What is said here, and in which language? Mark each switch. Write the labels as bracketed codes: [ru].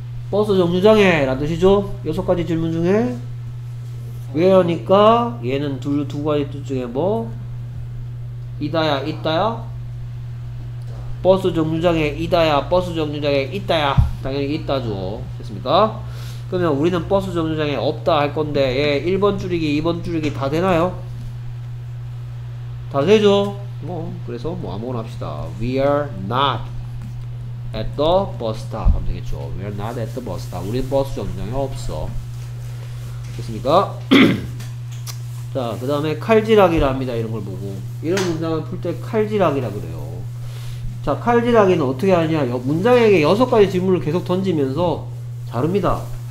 [ko] 버스 정류장에 라는 뜻이죠? 여섯 가지 질문 중에 where니까 얘는 둘, 두 가지 뜻 중에 뭐 이다야 있다야 버스 정류장에 이다야 버스 정류장에 있다야 당연히 있다죠. 됐습니까? 그러면 우리는 버스 정류장에 없다 할 건데 얘 1번 줄이기 2번 줄이기 다 되나요? 다 되죠. 뭐 그래서 뭐 아무거나 합시다. [en] We are not at the bus stop 하면 되겠죠. We are not at the bus stop. [ko] 우리는 버스 정류장에 없어. 됐습니까? 자, 그 다음에 칼질하기라 합니다. 이런 걸 보고 이런 문장을 풀 때 칼질하기라 그래요. 자, 칼질하기는 어떻게 하냐. 문장에게 여섯 가지 질문을 계속 던지면서 자릅니다.